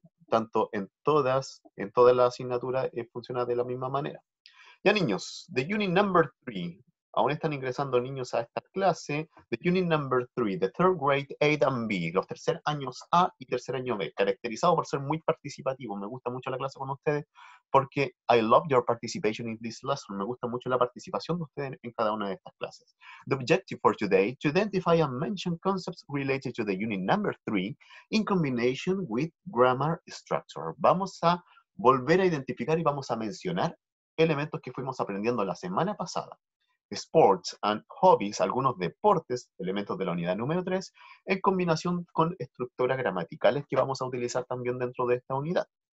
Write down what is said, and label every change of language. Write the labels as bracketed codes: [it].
[es] Tanto en toda la asignatura funciona de la misma manera. Ya, niños, [en] the unit number 3. [es] Aún están ingresando niños a esta clase. [en] The unit number 3, the third grade A and B. [es] Los tercer años A y tercer año B. Caracterizado por ser muy participativo. Me gusta mucho la clase con ustedes porque [en] I love your participation in this lesson. [es] Me gusta mucho la participación de ustedes en cada una de estas clases. [en] The objective for today, to identify and mention concepts related to the unit number 3 in combination with grammar structure. [es] Vamos a volver a identificar y vamos a mencionar elementos que fuimos aprendiendo la semana pasada. [en] Sports and hobbies, [es] algunos deportes, elementos de la unidad número 3, en combinación con estructuras gramaticales que vamos a utilizar también dentro de esta unidad.